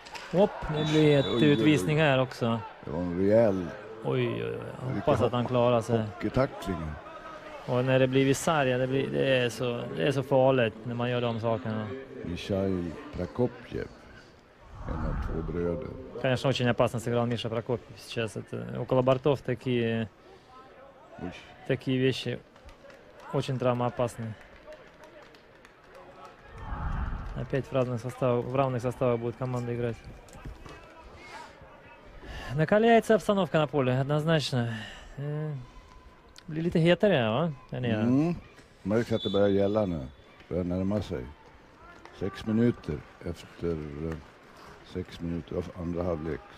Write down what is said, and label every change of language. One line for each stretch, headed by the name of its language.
Swedish: Hopp, nu blir ett utvisning här också. Det var en rejäl. Oj, oj, oj. Jag hoppas att han klarar sig. Hockeytackling. Och när det blir Visarja, det är så farligt när man gör de sakerna. Mikhail Prokopjev, en av två bröder.
Russian: Конечно, очень опасно сыграл Миша Прокопьев сейчас. Это около бортов такие вещи очень травмоопасны. Опять в равных составах будет команда играть. Накаляется обстановка на поле, однозначно.
Swedish: Blir lite hetare, va? Märks att det börjar gälla nu. Börjar närma sig. 6 minuter efter 6 minuter av andra halvlek.